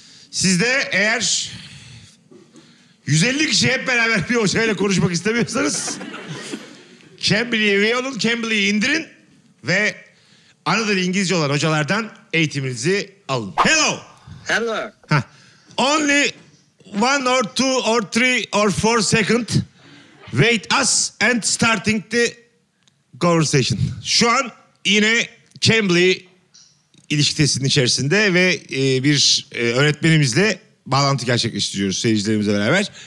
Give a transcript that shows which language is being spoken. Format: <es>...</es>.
<tr>Siz de eğer 150 kişi hep beraber bir hocayla konuşmak istemiyorsanız Cambly'yi üye olun, Cambly'yi indirin ve Anadolu İngilizce olan hocalardan eğitiminizi alın.</tr> <en>Hello. Hello. Only one or two or three or four second wait us and starting the conversation.</en> <tr>Şu an yine Cambly ilişkisinin içerisinde ve bir öğretmenimizle bağlantı gerçekleştiriyoruz seyircilerimizle beraber.</tr>